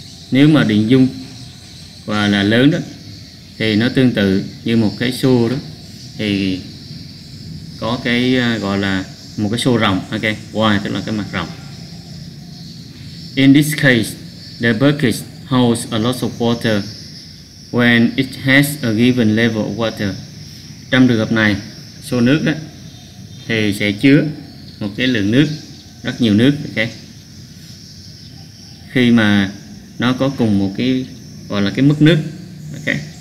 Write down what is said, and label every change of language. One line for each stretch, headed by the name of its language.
Vietnamese: Nếu mà điện dung và là lớn đó, thì nó tương tự như một cái xô đó, thì có cái gọi là một cái xô rộng. Ok, wide tức là cái mặt rộng.
English: In this case, the bucket holds a lot of water when it has a given level of water.
Vietnamese: Trong trường hợp này, xô nước đó thì sẽ chứa một cái lượng nước, rất nhiều nước. Ok. Khi mà nó có cùng một cái gọi là cái mức nước. Ok.